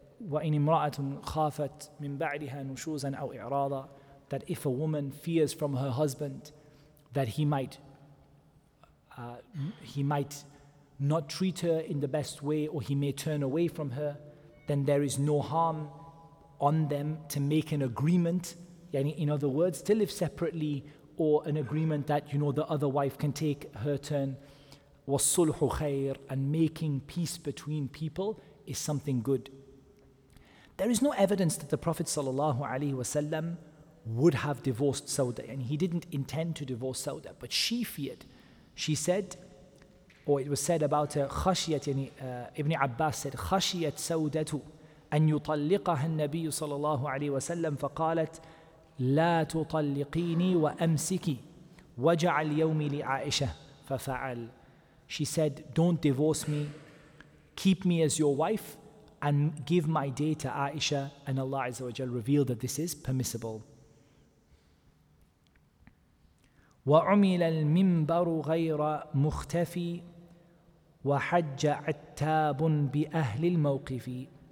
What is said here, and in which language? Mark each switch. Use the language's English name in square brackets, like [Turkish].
[Arabic] وَإِنْ إِمْرَأَةٌ خَافَتْ مِنْ بَعْدِهَا نُشُوزًا أَوْ إِعْرَاضًا, [English] that if a woman fears from her husband that he might not treat her in the best way, or he may turn away from her, then there is no harm on them to make an agreement, in other words, to live separately, or an agreement that, the other wife can take her turn. [Arabic] وَالصُّلْحُ خَيْرٌ, [English] and making peace between people is something good. There is no evidence that the Prophet ﷺ would have divorced Sauda, and he didn't intend to divorce Sauda, but she feared. She said, or it was said about her, [Arabic] خشيت, [English] Ibn Abbas said, [Arabic] خشيت سودة أن يطلقها النبي صلى الله عليه وسلم فقالت لا تطلقيني وأمسكي وجعل يومي لعائشة ففعل. [English] She said, don't divorce me, keep me as your wife, and give my day to Aisha, and Allah Azza wa Jal revealed that this is permissible. [Arabic] وَعُمِلَ الْمِنْبَرُ غَيْرَ مُخْتَفِي وَحَجَّ عَتَّابٌ بِأَهْلِ الْمَوْقِفِ.